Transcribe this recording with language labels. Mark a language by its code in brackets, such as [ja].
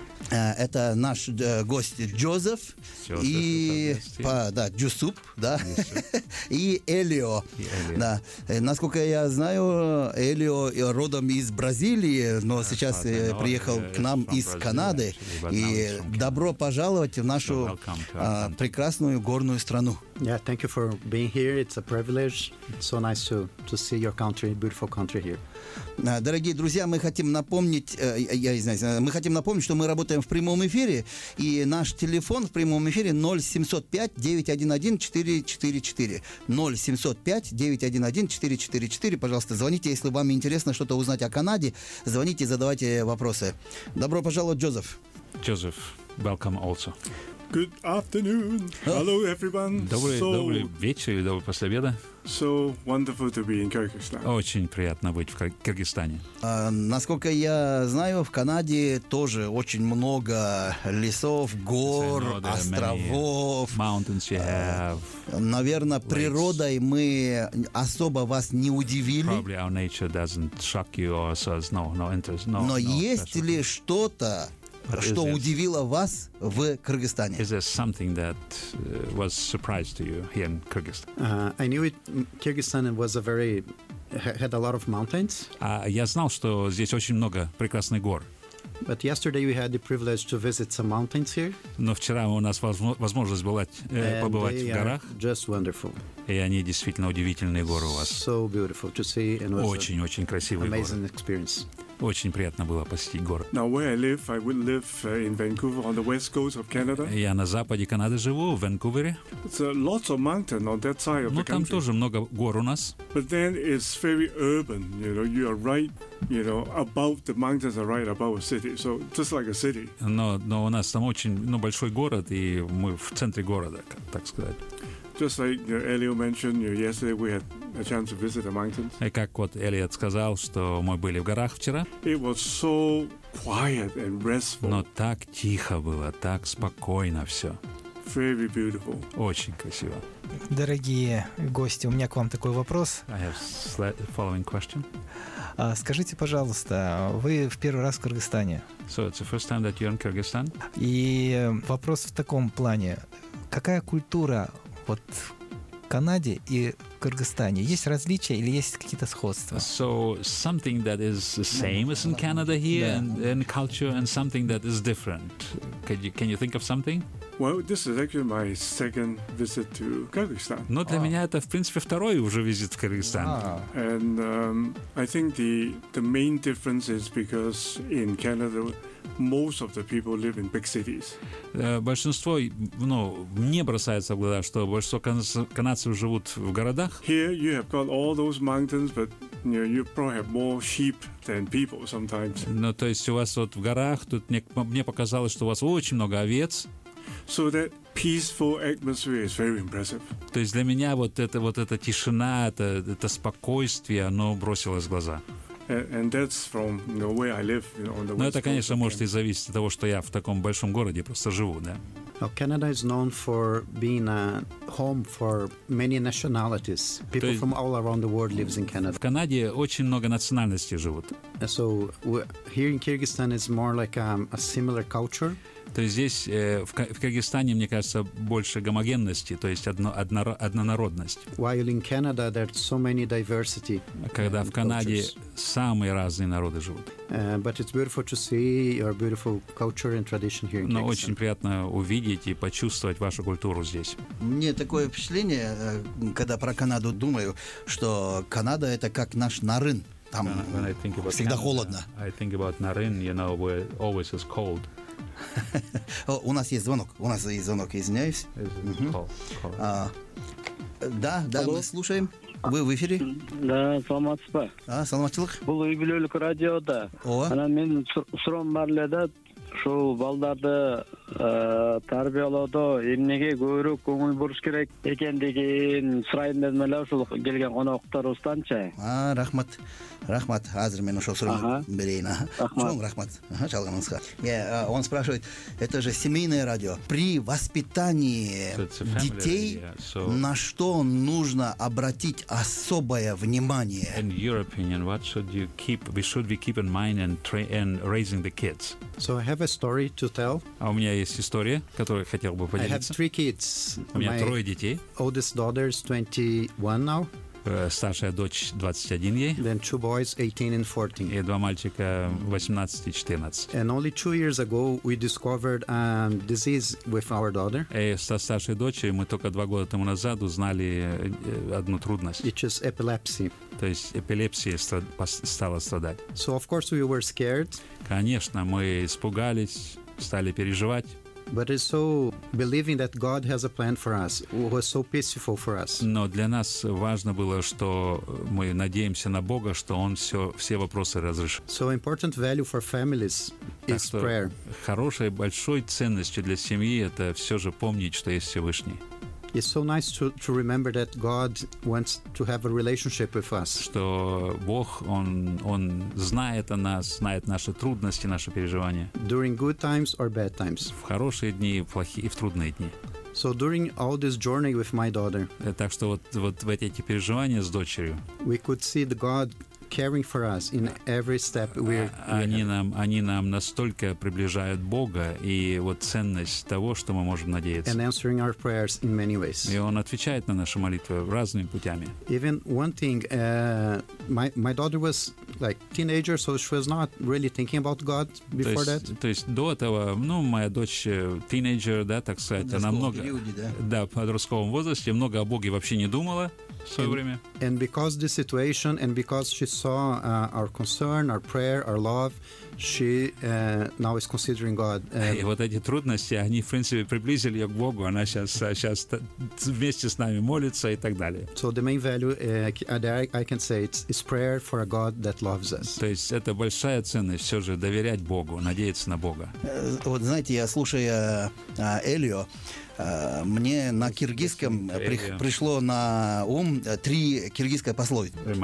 [ru] Это наш гость Джозеф и Джусуп, да, и Элио. Да. Насколько я знаю, Элио родом из Бразилии, но сейчас приехал к нам из Канады. И добро пожаловать в нашу прекрасную горную страну. [en] Yeah, thank you for being here. It's a privilege. It's so nice to see your country, beautiful country here. [ru] Дорогие друзья, мы хотим напомнить, что мы работаем в прямом эфире, и наш телефон в прямом эфире 0705-911-444. 0705-911-444. Пожалуйста, звоните, если вам интересно что-то узнать о Канаде, звоните, задавайте вопросы. Добро пожаловать, Джозеф. [en] Джозеф, welcome also. Good afternoon. Hello, everyone. [ru] Добрый вечер или добрый после обеда. [en] So wonderful to be in Kyrgyzstan. [ru] Очень приятно быть в Кыргызстане. Насколько я знаю, в Канаде тоже очень много лесов, гор, островов. [en] Mountains you have. [ru] Наверное, природой мы особо вас не удивили. [en] Probably our nature doesn't shock you or says no interest. No, [ru] есть ли что-то, что удивило вас в Кыргызстане? [en] Is there something that was surprised to you here in Kyrgyzstan? I knew it. Kyrgyzstan was a very had a lot of mountains. [ru] Я знал, что здесь очень много прекрасных гор. [en] But yesterday we had the privilege to visit some mountains here. [ru] Но вчера у нас возможность была побывать в горах. [en] Just wonderful. [ru] И они действительно удивительные горы у вас. [en] So beautiful to see and [ru] очень красивые [en] amazing [ru] горы. [en] Amazing experience. [ru] Очень приятно было посетить горы. [en] Now where I would live in Vancouver on the west coast of Canada. [ru] Я на западе Канады живу, в Ванкувере. [en] It's a lot of mountain on that side of the country. [ru] Ну там тоже много гор у нас. [en] But then it's very urban, you know. You are right, you know, above the mountains are right above a city, so just like a city. [ru] Но у нас там очень, ну, большой город, и мы в центре города, так сказать. [en] Just like Elliot mentioned, yesterday we had a chance to visit the mountains. [ru] И как вот Элиот сказал, что мы были в горах вчера. [en] It was so quiet and restful. [ru] Но так тихо было, так спокойно все. [en] Very beautiful. [ru] Очень красиво. Дорогие гости, у меня к вам такой вопрос. [en] I have following question. [ru] Скажите, пожалуйста, вы в первый раз в Кыргызстане? [en] So it's the first time that you're in Kyrgyzstan. [ru] И вопрос в таком плане: какая культура вот в Канаде и Кыргызстане? Есть различия или есть какие-то сходства? [en] So something that is the same as in Canada here, yeah. and culture, and something that is different. Can you think of something? Well, this is actually my second visit to Kyrgyzstan. [ru] Но для меня это, в принципе, второй уже визит в Кыргызстан. [en] And I think the main difference is because in Canada most of the people live in big cities. [ru] Большинство, ну, не бросается в глаза, что большинство канадцев живут в городах. [en] Here you have got all those mountains, but you probably have more sheep than people sometimes. [ru] Ну, то есть у вас вот в горах, тут мне показалось, что у вас очень много овец. [en] So that peaceful atmosphere is very impressive. [ru] То есть для меня вот эта тишина, это спокойствие, оно бросилось в глаза. [en] And that's from where I live, you know, on the west. [ru] Но это, конечно, может и зависеть от того, что я в таком большом городе просто живу, да. [en] Well, Canada is known for being a home for many nationalities. People from all around the world lives in Canada. [ru] В Канаде очень много национальностей живут. [en] So here in Kyrgyzstan is more like a similar culture. [ru] То есть здесь в Кыргызстане, мне кажется, больше гомогенности, то есть однонародность. [en] While in Canada there's so many diversity. [ru] Когда в Канаде [en] cultures. [ru] Самые разные народы живут. [en] But it's beautiful to see your beautiful culture and tradition here in Kyrgyzstan. [ru] Но очень приятно увидеть и почувствовать вашу культуру здесь. Мне такое впечатление, когда про Канаду думаю, что Канада это как наш Нарын. Там всегда холодно. [en] I think about Narin, you know, where it always is cold. [ru] У нас есть звонок. У нас есть звонок, извиняюсь. Да, да, мы слушаем. Вы в эфире? [ky] Да, саламатсызбы. А, саламатчылык. Бул үйбүлөлүк радиода. Ана мен суроом бар эле да, ушу балдарды тарбиялоодо эмнеге көбүрөөк көңүл буруш керек экендигин сурайын дедим эле ушул келген коноктарыбызданчы. А, рахмат. Рахмат, азыр мен ошол сурооно берейин. Чоң рахмат. Чалганыңызга. [ru] Он спрашивает, это же семейное радио. При воспитании детей на что нужно обратить особое внимание? [en] In your opinion, what should you keep? We should be keep in mind and raising the kids. So I have a story to tell. [ru] А у меня есть история, которую хотел бы поделиться. [en] I have three kids. [ru] У меня трое детей. [en] Oldest daughter is 21 now. [ru] Старшая дочь 21 ей. [en] Then two boys, 18 and 14. [ru] И два мальчика 18 и 14. [en] And only 2 years ago we discovered a disease with our daughter. [ru] И со старшей дочерью мы только 2 года тому назад узнали одну трудность. [en] Which is epilepsy. [ru] То есть эпилепсия стала страдать. [en] So of course we were scared. [ru] Конечно, мы испугались, стали переживать. [en] But it's so believing that God has a plan for us, was so peaceful for us. [ru] Но для нас важно было, что мы надеемся на Бога, что Он все вопросы разрешит. [en] So important value for families is prayer. [ru] Хорошей большой ценностью для семьи это все же помнить, что есть Всевышний. [en] It's so nice to remember that God wants to have a relationship with us. [ru] Что Бог, он знает о нас, знает наши трудности, наши переживания. [en] During good times or bad times. [ru] В хорошие дни и в трудные дни. [en] So during all this journey with my daughter. [ru] Так что вот в эти переживания с дочерью. [en] We could see the God caring for us in every step we're [ru] они нам настолько приближают Бога и вот ценность того, что мы можем надеяться. [en] And answering our prayers in many ways. [ru] И он отвечает на наши молитвы разными путями. [en] Even one thing, my daughter was like teenager, so she was not really thinking about God before [ru] то есть, [en] that. [ru] То есть до этого, ну, моя дочь [en] teenager, [ru] да, так сказать, она много периоде, да, в подростковом возрасте много о Боге вообще не думала. And because the situation, and because she saw our concern, our prayer, our love, she now is considering God. И вот эти трудности, они, в принципе, приблизили ее к Богу. Она сейчас вместе с нами молится и так далее. So the main value, I can say, it's prayer for a God that loves us. То есть это большая ценность, все же доверять Богу, надеяться на Бога. Вот знаете, я слушаю Элио. Мне на киргизском пришло на ум три киргизские пословицы.